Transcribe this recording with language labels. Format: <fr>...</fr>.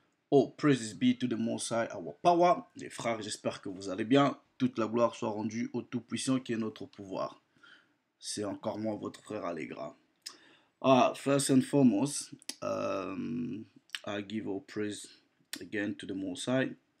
<en>Oh, praises be to the Most High, our power.</en> <fr>Les frères, j'espère que vous allez bien. Toute la gloire soit rendue au Tout-Puissant qui est notre pouvoir. C'est encore moi, votre frère Allegra.</fr> <en>Ah, first and foremost, I give all praise again to the Most High.</en>